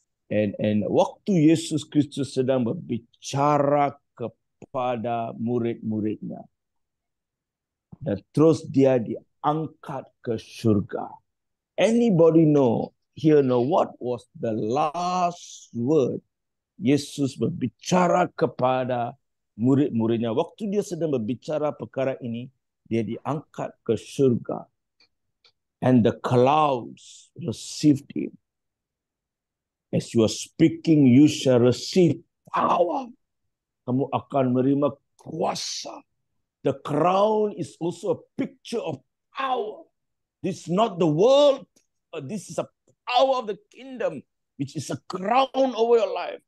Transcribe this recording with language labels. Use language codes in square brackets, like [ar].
[id] And waktu Yesus Kristus sedang berbicara kepada murid-muridnya, dan terus dia diangkat ke syurga. [en] Anybody know, here know what was the last word [id] Yesus berbicara kepada murid-muridnya. Waktu dia sedang berbicara perkara ini, dia diangkat ke surga. [en] And the clouds received him. As you are speaking, you shall receive power. [id] Kamu akan menerima kuasa. [en] The crown is also a picture of power. This is not the world. This is a power of the kingdom, which is a crown over your life.